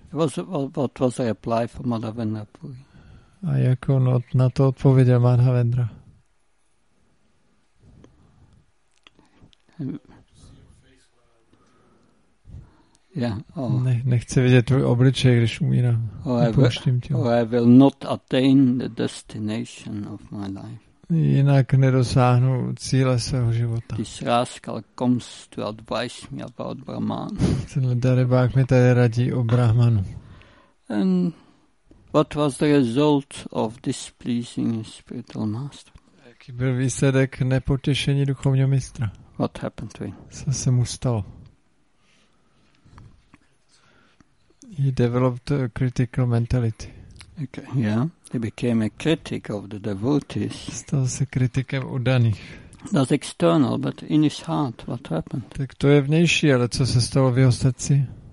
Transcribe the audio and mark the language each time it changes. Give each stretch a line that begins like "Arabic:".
English: What was the reply for Madhavendra Puri?
Czech: A jak on na to odpověděl Madhavendra? Yeah, oh. Nechci vidět tvůj obličej, když umírám. Opouštím tě.
English: Or I will not attain the destination of my life.
Czech: Jinak nedosáhnu cíle svého života.
English: This rascal comes to advise me about Brahman.
Czech: Tenhle darebák mi tady radí o Brahmanu.
English: And what was the result of displeasing spiritual master?
Czech: Jaký byl výsledek nepotěšení duchovního mistra?
English: What happened to him?
Czech: Co se mu stalo?
English: He developed a critical mentality. Okay, yeah. He became a critic of the devotees.
Czech: Stal se kritikem udaných.
English: That's external, but in his heart, what happened?
Czech: Tak to je vnější, ale co se stalo v jeho srdci?